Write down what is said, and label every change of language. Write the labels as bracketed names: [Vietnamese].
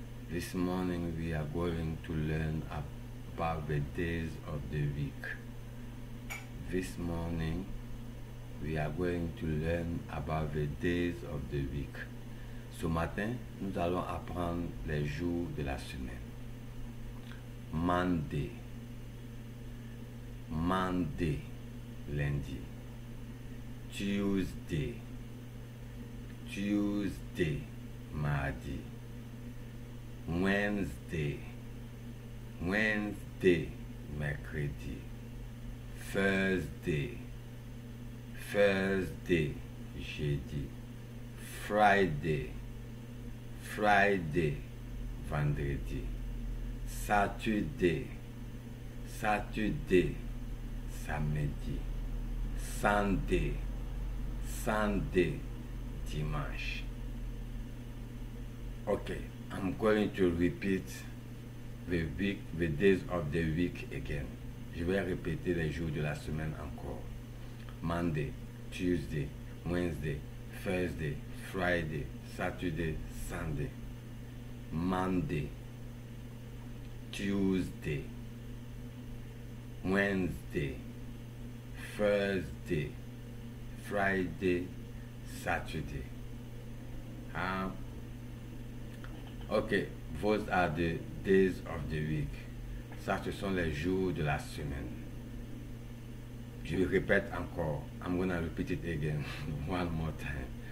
[English] This morning we are going to learn about the days of the week. This morning we are going to learn about the days of the week. [French] Ce matin, nous allons apprendre les jours de la semaine. Mardi. Mardi, lundi. [English] Tuesday. Tuesday, mardi. Wednesday. Wednesday, mercredi. Thursday. Thursday, jeudi. Friday. Friday, vendredi. Saturday. Saturday, samedi. Sunday. Sunday, dimanche. Okay, I'm going to repeat the week, the days of the week again. [French] Je vais répéter les jours de la semaine encore. [English] Monday, Tuesday, Wednesday, Thursday, Friday, Saturday, Sunday. Monday, Tuesday, Wednesday, Thursday, Friday, Saturday. Okay, those are the days of the week. [French] Ça, ce sont les jours de la semaine. Je répète encore. [English] I'm going to repeat it again one more time.